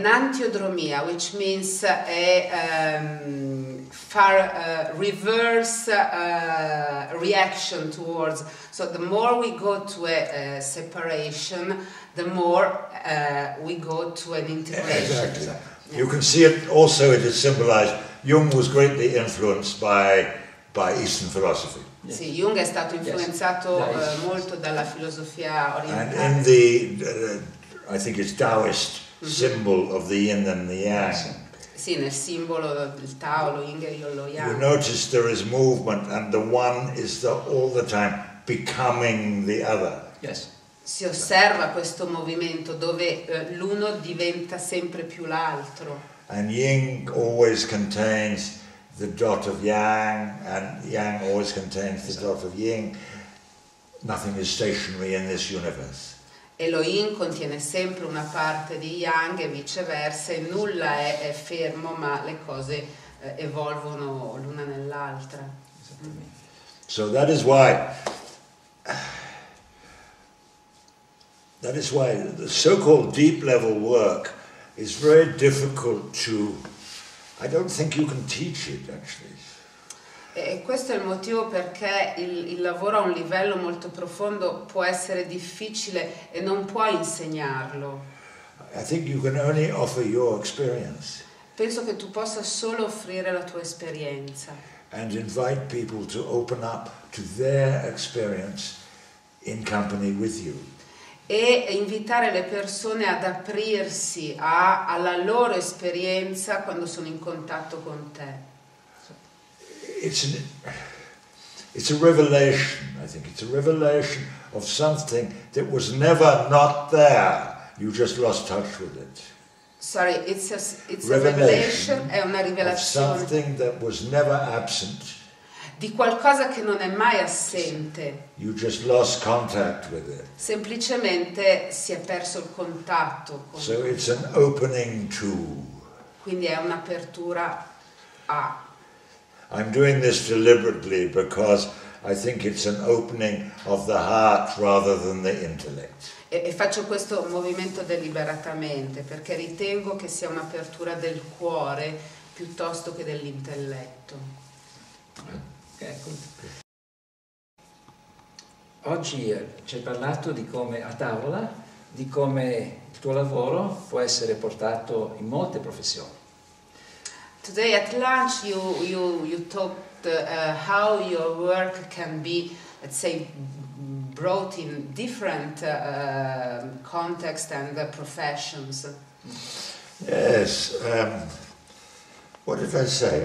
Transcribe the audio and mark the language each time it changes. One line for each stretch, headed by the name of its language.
English: Enantiodromia, which means a far reverse reaction towards. So the more we go to a separation, the more we go to an integration. Exactly. Yeah. You can see it also, it is symbolized. Jung was greatly influenced by Eastern philosophy. Yes.
Italian: Sì, Jung è stato influenzato,
English: yes,
Italian: molto dalla filosofia orientale.
English: And in the, I think it's Taoist, mm-hmm, symbol of the yin and the yang.
Italian: Sì, nel simbolo del Tao, lo yin e lo yang.
English: You notice there is movement and the one is the, all the time becoming the other. Yes.
Italian: Si osserva questo movimento dove l'uno diventa sempre più l'altro.
English: And yin always contains the dot of yang, and yang always contains the dot of yin. Nothing is stationary in this universe.
Italian: E lo yin contiene sempre una parte di yang e viceversa, e nulla è fermo, ma le cose evolvono l'una nell'altra.
English: So that is why the so-called deep level work is very difficult to, I don't think you can teach it, actually.
Italian: E questo è il motivo perché il lavoro a un livello molto profondo può essere difficile e non può insegnarlo.
English: I think you can only offer your experience.
Italian: Penso che tu possa solo offrire la tua esperienza.
English: And invite people to open up to their experience in company with you.
Italian: E invitare le persone ad aprirsi alla loro esperienza quando sono in contatto con te.
English: It's a revelation, I think. It's a revelation of something that was never not there. You just lost touch with it. Sorry, it's a revelation.
Italian: È una rivelazione.
English: Something that was never absent.
Italian: Di qualcosa che non è mai assente.
English: You just lost contact with it.
Italian: Semplicemente si è perso il contatto.
English: So it's an opening to.
Italian: Quindi è un'apertura a.
English: I'm doing this deliberately because I think it's an opening of the heart rather than the intellect.
Italian: E faccio questo movimento deliberatamente perché ritengo che sia un'apertura del cuore piuttosto che dell'intelletto. Ecco. Oggi ci hai parlato di come a tavola, di come il tuo lavoro può essere portato in molte professioni.
English: Today at lunch you talked how your work can be, let's say, brought in different context and professions. Yes. What did I say?